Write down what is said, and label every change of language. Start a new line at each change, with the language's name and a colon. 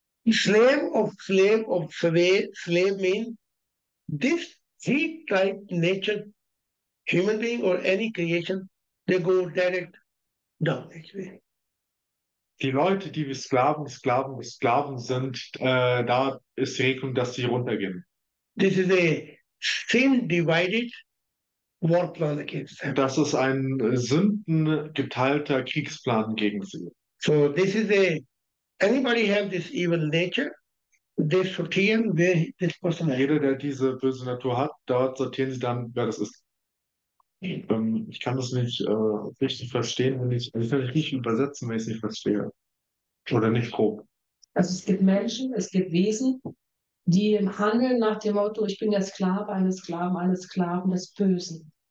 English: Slave means this three-type nature, human being or any creation, they go direct down.
German: Die Leute, die wie Sklaven sind, da ist die Regelung, dass sie runtergehen.
English: This is a sin-divided war plan against them.
German: Das ist ein sündengeteilter Kriegsplan gegen sie.
English: So this is a anybody have this evil nature? They
German: sortieren, wer
English: this person is.
German: Jeder, der diese böse Natur hat, dort sortieren sie dann, wer das ist. Ich kann das nicht richtig verstehen, ich kann es nicht übersetzen, wenn ich es nicht verstehe. Oder nicht grob. Also es gibt Menschen, es gibt Wesen, die handeln nach dem Motto, ich bin der Sklave eines Sklaven, eines Sklaven des Bösen.